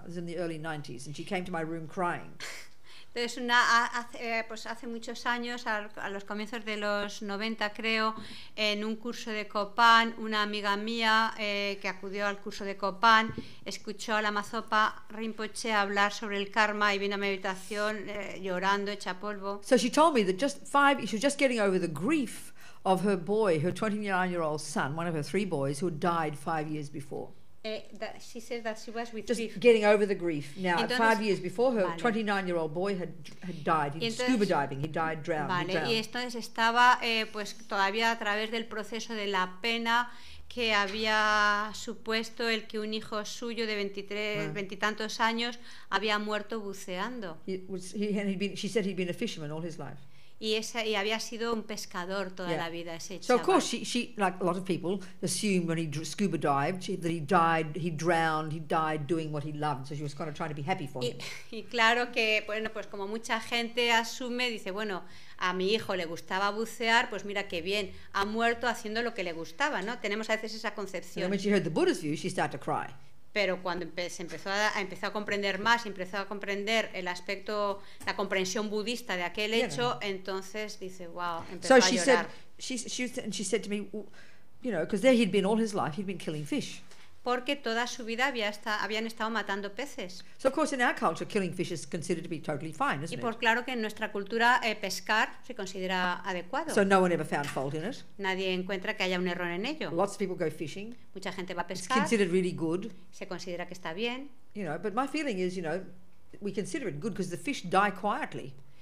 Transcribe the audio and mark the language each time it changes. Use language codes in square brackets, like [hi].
[en] It was in the early 90s, and she came to my room crying. [es] Entonces, hace muchos años, a los comienzos de los 90, creo, en un curso de Kopan, una amiga mía que acudió al curso de Kopan escuchó a Lama Zopa Rinpoche hablar sobre el karma y vino a mi habitación llorando, hecha polvo. [en] So she told me that she was just getting over the grief of her boy, her 29-year-old son, one of her three boys, who had died 5 years before. She says that she was with just grief. Just getting over the grief. Now, [es] entonces, [en] 5 years before, her [es] vale. [en] 29-year-old boy had died. He [es] entonces, [en] scuba diving. He died drowned. [es] Vale. [en] Drowned. [es] Y entonces estaba pues todavía a través del proceso de la pena que había supuesto el que un hijo suyo de 20 y tantos años había muerto buceando. [en] She said he'd been a fisherman all his life. [es] Y había sido un pescador toda la vida ese chaval. [en] So of course she like a lot of people assumed when he scuba dived that he died, he drowned, he died doing what he loved. So she was kind of trying to be happy for him. [es] Y claro que bueno, pues como mucha gente asume, dice, bueno, a mi hijo le gustaba bucear, pues mira qué bien, ha muerto haciendo lo que le gustaba, ¿no? Tenemos a veces esa concepción. [en] And when she heard the Buddha's view, she started to cry. [es] Pero cuando empezó a comprender más, empezó a comprender el aspecto, la comprensión budista de aquel hecho, entonces dice, wow, empezó a llorar. [en] So she said, she said to me, you know, because there he'd been all his life, he'd been killing fish. [es] Porque toda su vida habían estado matando peces. [en] So of course in our culture, killing fish is considered to be totally fine, isn't it? [es] Y por claro que en nuestra cultura pescar se considera adecuado. [en] So no one ever found fault in it. [es] Nadie encuentra que haya un error en ello. [en] Lots of people go fishing. [es] Mucha gente va a pescar. [en] It's considered really good. [es] Se considera que está bien. [en] You know, but my feeling is, you know, we consider it good because the fish die quietly.